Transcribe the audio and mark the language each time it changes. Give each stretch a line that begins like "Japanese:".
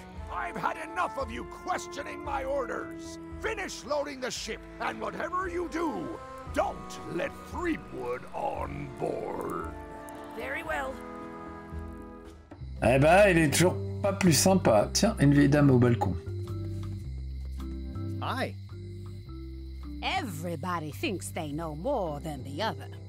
English: I've had enough of you questioning my orders. Finish loading the ship, and whatever you do, don't let Threepwood on board. Very well.
French: Eh ben, il est toujours pas plus sympa. Tiens, une vieille dame au balcon.
English: Hi. Everybody thinks they know more than the other.